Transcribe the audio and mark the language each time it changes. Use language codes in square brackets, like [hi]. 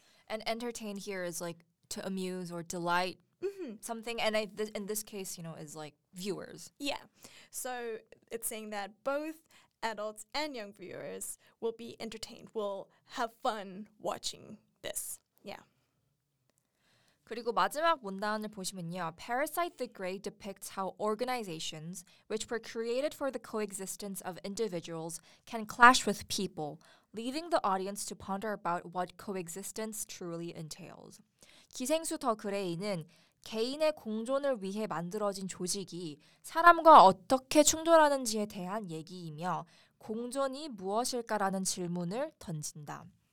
[en] And entertain here is like to amuse or delight mm-hmm. something. And in this case, you know, is like viewers. Yeah. So it's saying that both adults and young viewers will be entertained, will have fun watching this. Yeah. [ko] 그리고 마지막 문단을 보시면요. [en] Parasite the Great depicts how organizations, which were created for the coexistence of individuals, can clash with people, leaving the audience to ponder about what coexistence truly entails. [ko] 기생수 더 그레이는 개인의 공존을 위해 만들어진 조직이 사람과 어떻게 충돌하는지에 대한 얘기이며 공존이 무엇일까라는 질문을 던진다.